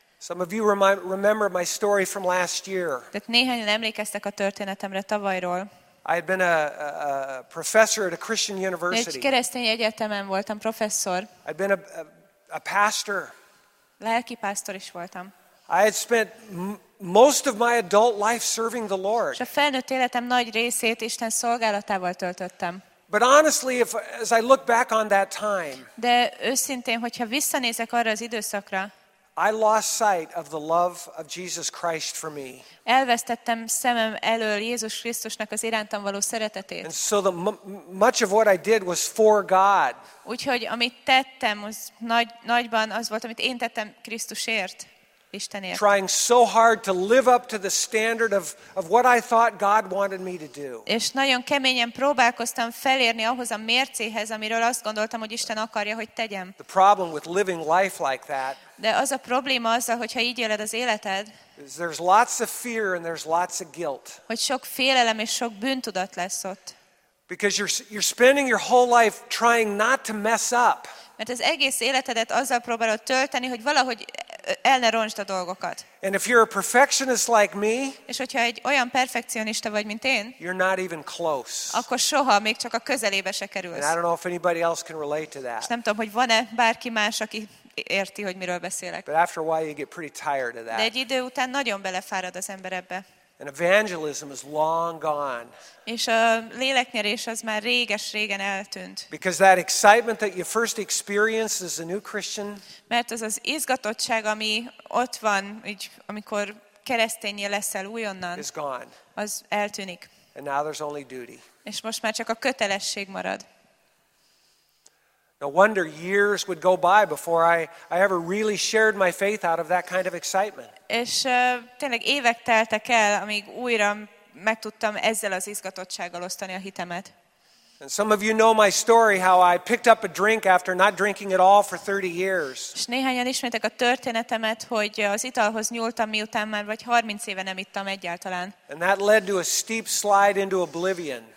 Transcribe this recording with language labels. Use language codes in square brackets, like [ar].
[en] Some of you remember my story from last year. [hu] Néhányan emlékeztek a történetemre tavalyról. [en] I had been a professor at a Christian university. [hu] Egy keresztény egyetemen voltam professzor. [en] I'd been a pastor. [hu] Lelki pásztor is voltam. [en] I had spent most of my adult life serving the Lord. [hu] És a felnőtt életem nagy részét Isten szolgálatával töltöttem. [en] But honestly, as I look back on that time. [hu] De őszintén, hogyha visszanézek arra az időszakra. [en] I lost sight of the love of Jesus Christ for me. [hu] Elvesztettem szemem elől Jézus Krisztusnak az irántam való szeretetét. [en] And so much of what I did was for God. [hu] Úgyhogy amit tettem, az nagyban az volt, amit én tettem Krisztusért, Istenért. [en] Trying so hard to live up to the standard of what I thought God wanted me to do. [hu] És nagyon keményen próbálkoztam felérni ahhoz a mércéhez, amiről azt gondoltam, hogy Isten akarja, hogy tegyem. [en] The problem with living life like that. [hu] De az a probléma azzal, hogyha így éled az életed, [en] there's lots of fear and there's lots of guilt. [hu] Hogy sok félelem és sok bűntudat lesz ott. [en] Because you're spending your whole life trying not to mess up. [hu] Mert az egész életedet azzal próbálod tölteni, hogy valahogy el ne roncsd a dolgokat. [en] And if you're a perfectionist like me, [hu] és hogyha egy olyan perfekcionista vagy, mint én, [en] you're not even close. [hu] Akkor soha még csak a közelébe se kerülsz. [en] And I don't know if anybody else can relate to that. [hu] És nem tudom, hogy van-e bárki más, aki érti, hogy miről beszélek. [en] But after a while you get pretty tired of that. [hu] De egy idő után nagyon belefárad az ember ebbe. [en] And evangelism is long gone. [hu] És a léleknyerés az már réges-régen eltűnt. [en] Because that excitement that you first experience as a new Christian. [hu] Mert az az izgatottság, ami ott van, így, amikor keresztényé leszel újonnan, [en] is gone. [hu] Az eltűnik. [en] And now there's only duty. [hu] És most már csak a kötelesség marad. [en] No wonder years would go by before I ever really shared my faith out of that kind of excitement. [hu] És tényleg évek teltek el, amíg újra meg tudtam ezzel az izgatottsággal osztani a hitemet. [en] And some of you know my story how I picked up a drink after not drinking at all for 30 years. [hu] És néhányan ismétek a történetemet, hogy az italhoz nyúltam, miután már vagy 30 éve nem ittam egyáltalán. [en] And that led to a steep slide into oblivion.